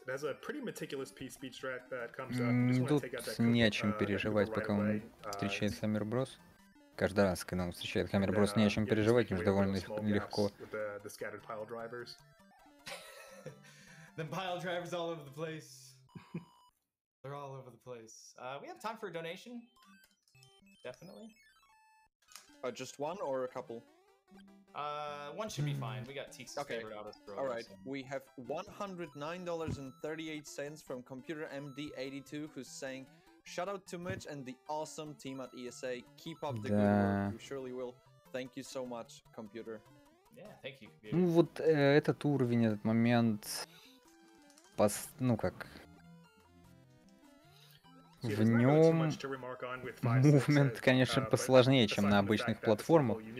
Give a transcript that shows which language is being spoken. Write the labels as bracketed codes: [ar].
[en] That's a pretty meticulous P-speech track that comes up. Just wanna take out that cookie, [ru] не о чем переживать, пока он встречает Hammer Bros. Каждый раз, когда он встречает Hammer Bros, не о чем переживать, им же довольно легко. [en] The scattered pile drivers. The pile drivers all over the place. They're all over the place. We have time for a donation. Definitely. Just one or a couple? One should be fine. We got Teeks' okay. favorite autos. Okay, alright. So. We have $109.38 from ComputerMD82, who's saying, shout out to Mitch and the awesome team at ESA. Keep up the good work. You surely will. Thank you so much, Computer. Yeah, thank you, Computer. [ru] Ну вот этот уровень, этот момент... ну как... В нем мувмент, конечно, посложнее, чем на обычных платформах.